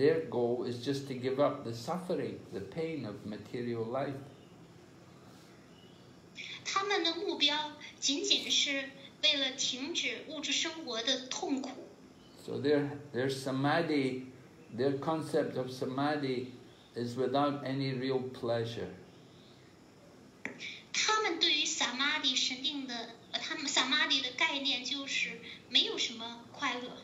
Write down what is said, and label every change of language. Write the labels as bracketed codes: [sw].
[en] goal is just to give up the suffering, the pain of material life. [zh] 他们的目标仅仅是为了停止物质生活的痛苦。 [en] So their samadhi, their concept of samadhi is without any real pleasure. [zh] 他们对于samadhi的概念就是没有什么快乐。